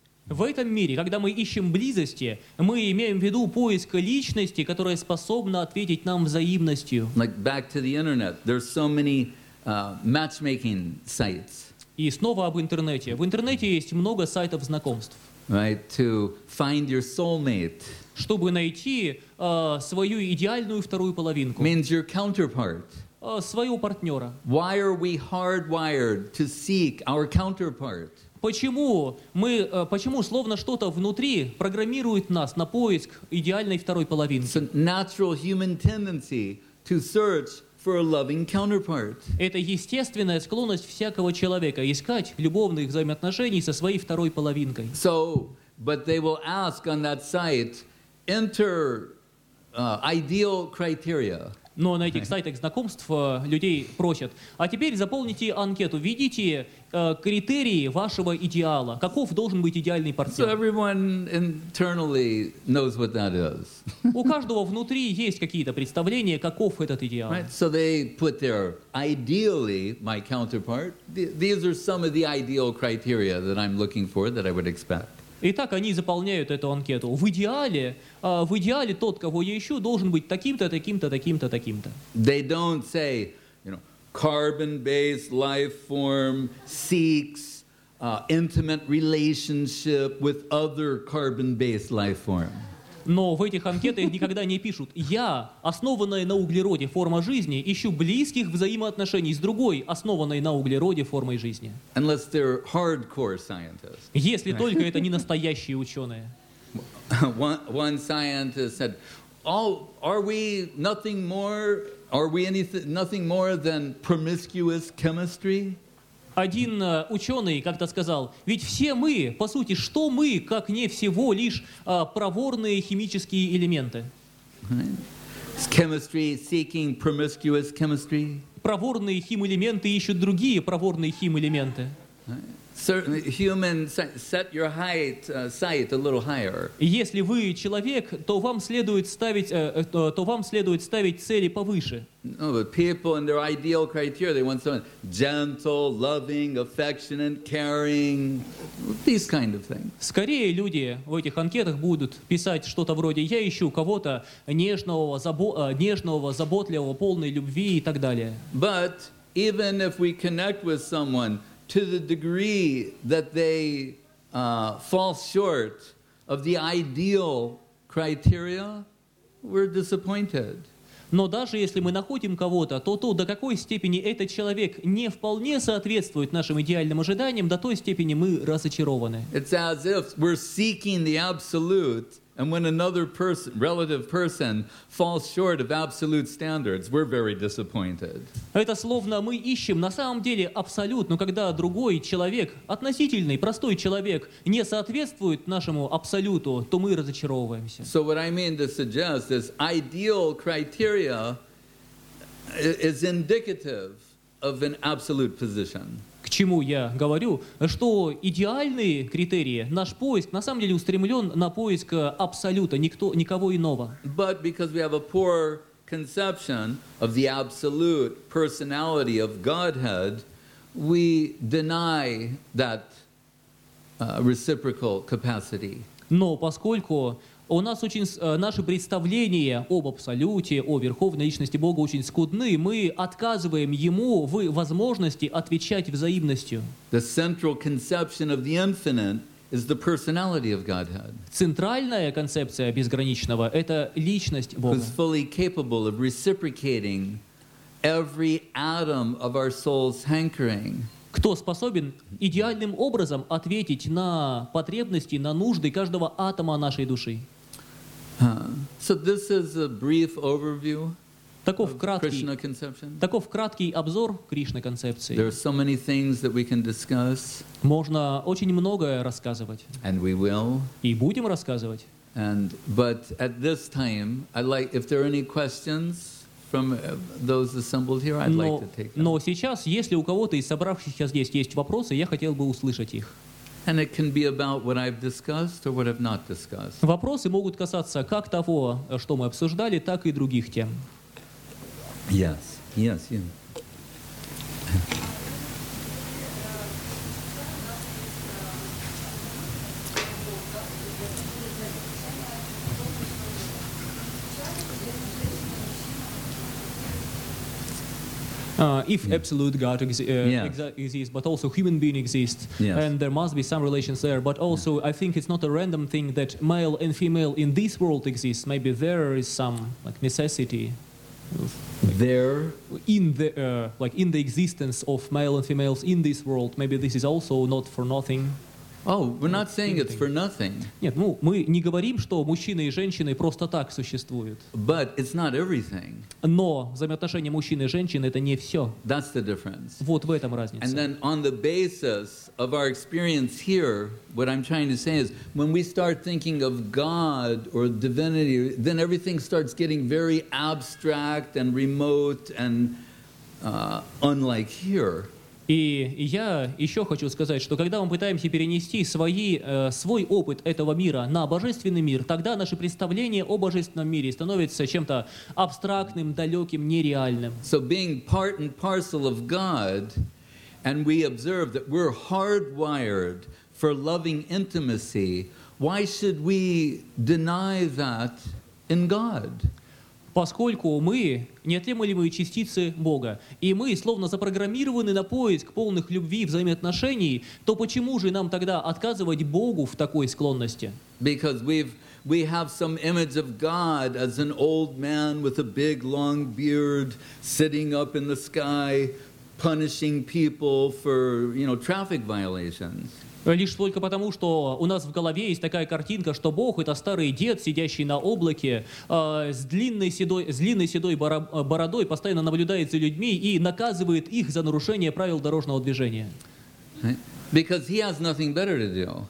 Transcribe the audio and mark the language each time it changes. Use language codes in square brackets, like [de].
[ru] В этом мире, когда мы ищем близости, мы имеем в виду поиск личности, которая способна ответить нам взаимностью. [en] Like back to the internet, there's so many matchmaking sites. [ru] И снова об интернете. В интернете есть много сайтов знакомств. [en] Right, to find your soulmate. [ru] Чтобы найти свою идеальную вторую половинку. [en] Means your counterpart. [ru] Своего партнера. [en] Why are we hardwired to seek our counterpart? [ru] Почему словно что-то внутри программирует нас на поиск идеальной второй половинки? [en] It's a natural human tendency to search for a loving counterpart. [ru] Это естественная склонность всякого человека искать любовных взаимоотношений со своей второй половинкой. [en] So, but they will ask on that site, enter ideal criteria. [ru] Но на этих сайтах знакомств людей просят. А теперь заполните анкету. Введите критерии вашего идеала. Каков должен быть идеальный партнер? [en] So everyone internally knows what that is. [ru] У каждого внутри есть какие-то представления, каков этот идеал. [en] Right? So they put there, ideally, my counterpart. These are some of the ideal criteria that I'm looking for, that I would expect. [ru] Итак, они заполняют эту анкету. В идеале тот, кого я ищу, должен быть таким-то, таким-то, таким-то, таким-то. [en] They don't say, you know, carbon-based life form seeks intimate relationship with other carbon-based life form. [ru] Но в этих анкетах никогда не пишут: я, основанная на углероде форма жизни, ищу близких взаимоотношений с другой, основанной на углероде формой жизни. [en] Unless they're hardcore scientists. [ru] Если только это не настоящие ученые. [en] One scientist said, "Oh, are we nothing more? Are we nothing more than promiscuous chemistry?" [ru] Один ученый как-то сказал: ведь все мы, по сути, что мы, как не всего лишь проворные химические элементы? [en] Is chemistry seeking promiscuous chemistry? [ru] Проворные химэлементы ищут другие проворные химэлементы. [en] Certainly, human, set your height, sight a little higher. [ru] Если вы человек, то вам следует ставить цели повыше. [en] No, but people and their ideal criteria, they want someone gentle, loving, affectionate, caring, these kind of things. [ru] Скорее люди в этих анкетах будут писать что-то вроде: я ищу кого-то нежного, заботливого, полной любви и так далее. [en] But even if we connect with someone to the degree that they fall short of the ideal criteria, we're disappointed. [ru] Но даже если мы находим кого-то, то до какой степени этот человек не вполне соответствует нашим идеальным ожиданиям, до той степени мы разочарованы. [en] It's as if we're seeking the absolute, and when another person, relative person, falls short of absolute standards, we're very disappointed. [ru] Это словно мы ищем на самом деле абсолют, но когда другой человек, относительный, простой человек, не соответствует нашему абсолюту, то мы разочаровываемся. [en] So what I mean to suggest is ideal criteria is indicative of an absolute position. [ru] К чему я говорю, что идеальные критерии, наш поиск, на самом деле устремлен на поиск абсолюта, никого иного. [en] But because we have a poor conception of the absolute personality of Godhead, we deny that reciprocal capacity. [ru] Но поскольку у нас наши представления об Абсолюте, о Верховной Личности Бога очень скудны, мы отказываем Ему в возможности отвечать взаимностью. [en] The central conception of the infinite is the personality of Godhead. [ru] Центральная концепция безграничного — это Личность Бога. [en] Who's fully capable of reciprocating every atom of our soul's hankering. [ru] Кто способен идеальным образом ответить на потребности, на нужды каждого атома нашей души? [en] So this is a brief overview of Krishna conception. [ru] Таков краткий обзор Кришны концепции. [en] There are so many things that we can discuss. [ru] Можно очень многое рассказывать. [en] And we will. [ru] И будем рассказывать. [en] And but at this time, I'd like if there are any questions. From those assembled here, I'd like to take them. [ru] Но сейчас, если у кого-то из собравшихся здесь есть вопросы, я хотел бы услышать их. [en] And it can be about what I've discussed or what I've not discussed. [ru] Вопросы могут касаться как того, что мы обсуждали, так и других тем. [en] Yes, yes, yes. If absolute God exists, but also human being exists, and there must be some relations there. But also, I think it's not a random thing that male and female in this world exists. Maybe there is some like necessity. In the existence of male and females in this world, maybe this is also not for nothing. Oh, we're not saying it's for nothing. [ru] Нет, ну, мы не говорим, что мужчины и женщины просто так существуют. [en] But it's not everything. [ru] Но взаимоотношения мужчины и женщины — это не все. [en] That's the difference. [ru] Вот в этом разница. [en] And then on the basis of our experience here, what I'm trying to say is, when we start thinking of God or divinity, then everything starts getting very abstract and remote and unlike here. [ru] И я еще хочу сказать, что когда мы пытаемся перенести свой опыт этого мира на божественный мир, тогда наше представление о божественном мире становится чем-то абстрактным, далеким, нереальным. [en] So being part and parcel of God, and we observe that we're hardwired for loving intimacy, why should we deny that in God? [ru] Поскольку мы неотъемлемые частицы Бога, и мы словно запрограммированы на поиск полных любви и взаимоотношений, то почему же нам тогда отказывать Богу в такой склонности? [en] Because we have some image of God as an old man with a big long beard sitting up in the sky, punishing people for, you know, traffic violations. [ru] Лишь только потому, что у нас в голове есть такая картинка, что Бог — это старый дед, сидящий на облаке, с длинной седой бородой, постоянно наблюдает за людьми и наказывает их за нарушение правил дорожного движения. [en] Because he has nothing better to do.